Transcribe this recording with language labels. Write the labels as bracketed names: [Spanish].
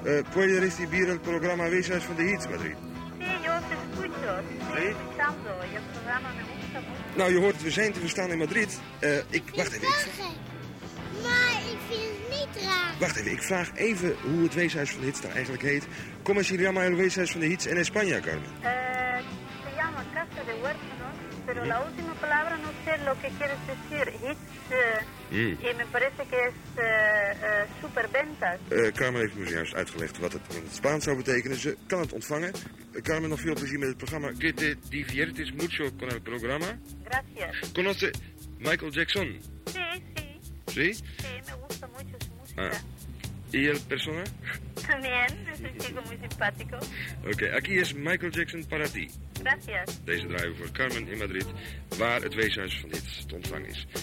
[Spanish] Puede recibir el programa Weeshuis van de Hits, Madrid? Sí, yo te escucho. Sí, escuchando. Yo programa me gusta. [Dutch] Nou, je hoort het, we zijn te verstaan in Madrid. Wacht even. Maar ik vind het niet raar. Wacht even, ik vraag even hoe het Weeshuis van de Hits daar eigenlijk heet. [Spanish] ¿Cómo se llama el Weeshuis van de Hits en España, Carmen? Se llama Casa de Huérfanos, pero la última palabra no sé lo que quieres decir. Hits. Y me parece que es superventas. [Dutch] Carmen heeft me juist uitgelegd wat het in het Spaans zou betekenen. Ze kan het ontvangen. Carmen, nog veel plezier met het programma. [Spanish] Que te diviertes mucho con el programa. Gracias. ¿Conoce Michael Jackson? Sí, sí. ¿Sí? Sí, me gusta mucho su música. Ah. ¿Y el persona? También, es un chico muy simpático. Ok, aquí es Michael Jackson para ti. Gracias. [Dutch] Deze draaien voor Carmen in Madrid, waar het weeshuis van dit te ontvangen is.